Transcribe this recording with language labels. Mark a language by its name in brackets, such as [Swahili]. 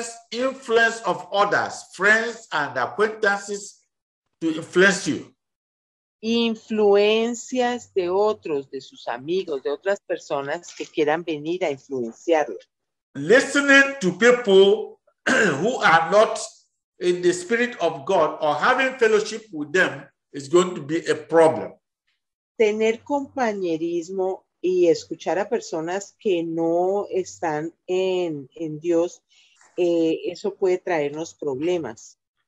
[English] Influence of others, friends and acquaintances to influence you. [Spanish] Influencias de otros, de sus amigos, de otras personas que quieran venir a influenciarlo. [English] Listening to people who are not in the spirit of God or having fellowship with them is going to be a problem. [Spanish] Tener compañerismo y escuchar a personas que no están en Dios, eso puede traernos problemas.